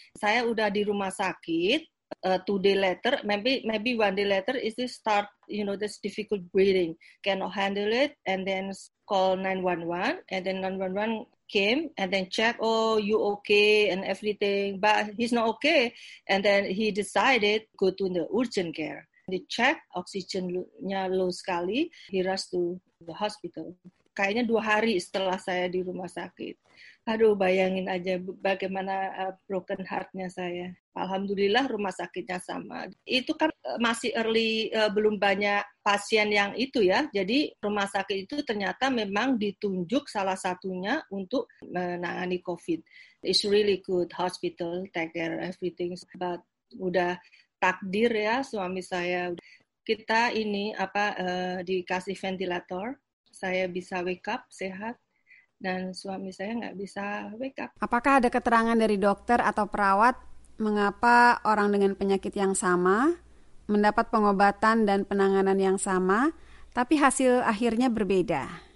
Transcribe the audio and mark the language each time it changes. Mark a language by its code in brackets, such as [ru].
[id] Saya udah di rumah sakit [en] 2 days later, maybe 1 day later is this start, you know, this difficult breathing, cannot handle it, and then call 911, and then 911 came and then check, oh, you okay and everything, but he's not okay. And then he decided go to the urgent care. They check, [id] oksigennya [en] low [id] sekali, [en] he rushed to the hospital. [id] Kayaknya 2 hari setelah saya di rumah sakit. Aduh, bayangin aja bagaimana [en] broken heart- [id] nya saya. Alhamdulillah rumah sakitnya sama. Itu kan masih early, belum banyak pasien yang itu ya. Jadi rumah sakit itu ternyata memang ditunjuk salah satunya untuk menangani COVID. [en] It's really good hospital, take care everything. [id] But udah takdir ya suami saya. Kita ini dikasih ventilator, saya bisa [en] wake up [id] sehat. Dan suami saya nggak bisa [en] wake up. [id] Apakah ada keterangan dari dokter atau perawat mengapa orang dengan penyakit yang sama mendapat pengobatan dan penanganan yang sama, tapi hasil akhirnya berbeda?